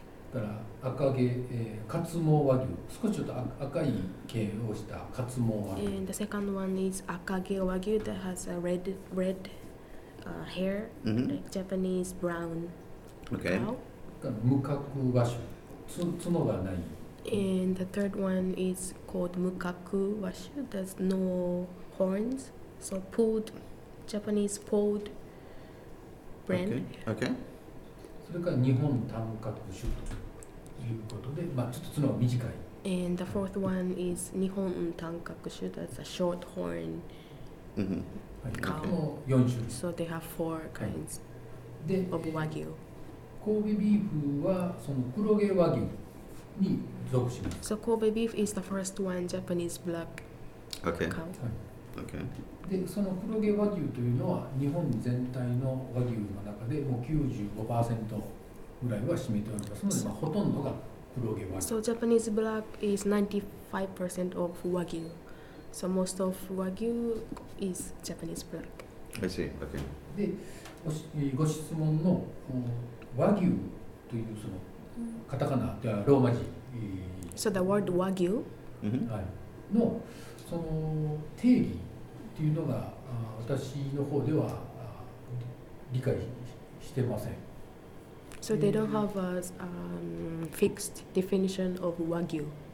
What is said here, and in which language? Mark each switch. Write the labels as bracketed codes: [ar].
[ja] から赤毛、カツモ和牛、少しちょっと赤い毛をしたカツモ和牛。 [en] And the second one is 赤毛和牛, that has a red hair,、 mm-hmm. like Japanese brown cow. [ja] Okay. 無角和種、角がない。 [en] And the third one is called 無角和種, that's no horns, so pulled. Japanese pulled brand. Okay. [ja] それから日本短角種ということで、まあ、ちょっと角が短い。 [en] And the fourth one is 日本短角種, that's a short horn cow. [ja] この4種類。 [en] So they have four kinds、 [ja] はい、 [en] of Wagyu. [ja] 神戸ビーフはその黒毛和牛に属します。 [en] So Kobe beef is the first one, Japanese black cow. Okay.、 [ja] はい [en] Okay. [ja] で、その黒毛和牛というのは日本全体の和牛の中でもう 95% ぐらいは占めておりますので、まあ、ほとんどが黒毛和牛。 [en] So Japanese black is 95% of Wagyu. So most of Wagyu is Japanese black. I see. Okay. [ja] で、ご質問の和牛というそのカタカナ、じゃあローマ字。 [en] So the word Wagyu. Mm-hmm. [ja] はい。のその定義っていうのが私の方では理解してません。 [en] So they don't have a fixed definition of Wagyu.